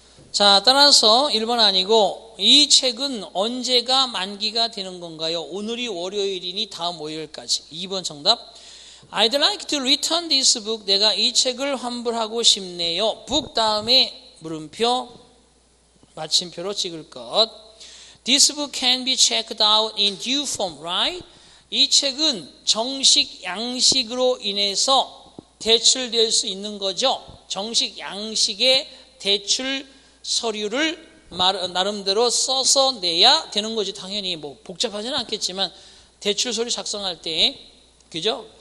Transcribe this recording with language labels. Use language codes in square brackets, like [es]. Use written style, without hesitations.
[ko] 자, 따라서 1번 아니고 이 책은 언제가 만기가 되는 건가요? 오늘이 월요일이니 다음 월요일까지. 2번 정답. [en] I'd like to return this book. [ko] 내가 이 책을 환불하고 싶네요. book 다음에 물음표, 마침표로 찍을 것. [en] This book can be checked out in due form, right? [ko] 이 책은 정식 양식으로 인해서 대출될 수 있는 거죠. 정식 양식의 대출 서류를 나름대로 써서 내야 되는 거죠. 당연히 뭐 복잡하지는 않겠지만 대출 서류 작성할 때, 그죠?